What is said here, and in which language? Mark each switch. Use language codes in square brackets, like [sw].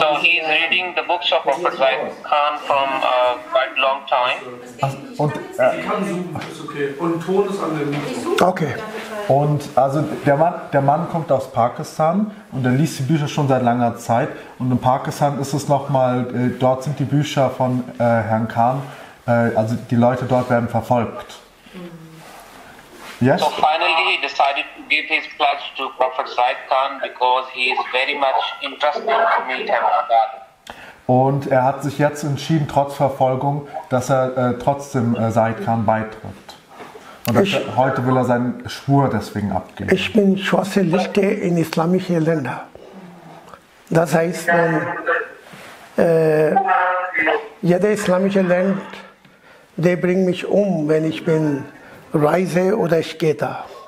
[en] So he is reading the books of Prophet Khan from quite long time. [de] Ach, und ist okay. Und Ton ist an dem Mikro. Okay. Und also der Mann kommt aus Pakistan und er liest die Bücher schon seit langer Zeit. Und in Pakistan ist es nochmal, dort sind die Bücher von Herrn Khan, also die Leute dort werden verfolgt. [en] Yes. So finally he decided to give his pledge to Prophet Zaid Khan because he is very much interested to meet him on God. [de] Und er hat sich jetzt entschieden, trotz Verfolgung, dass er trotzdem Zaid Khan beitritt. Und heute will er seinen Schwur deswegen abgeben. Ich bin schwarze Lichter in islamischen Ländern. Das heißt, wenn jeder islamische Land, they bring mich um, wenn ich bin Reise oder ich gehe da.